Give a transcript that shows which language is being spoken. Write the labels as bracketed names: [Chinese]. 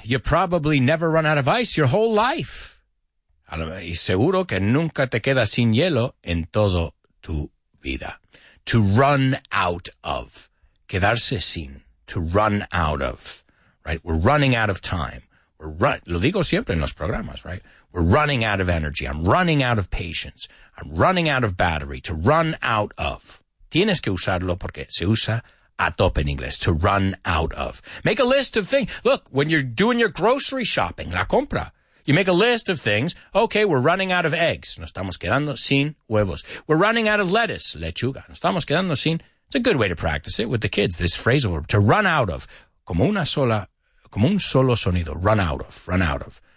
[English] You probably never run out of ice your whole life." [Spanish] Y seguro que nunca te quedas sin hielo en todo tu vida. [English] To run out of. [Spanish] Quedarse sin. [English] To run out of. Right? We're running out of time. [Spanish] Lo digo siempre en los programas, right? [English] We're running out of energy. I'm running out of patience. I'm running out of battery. To run out of. [Spanish] Tienes que usarlo porque se usa a tope en inglés, [English] to run out of. Make a list of things. Look, when you're doing your grocery shopping, la compra, you make a list of things. Okay, we're running out of eggs. [Spanish] Nos estamos quedando sin huevos. [English] We're running out of lettuce, lechuga. [Spanish] Nos estamos quedando sin. [English] It's a good way to practice it with the kids, this phrasal verb, to run out of. [Spanish] Como una sola, como un solo sonido, [English] run out of, run out of.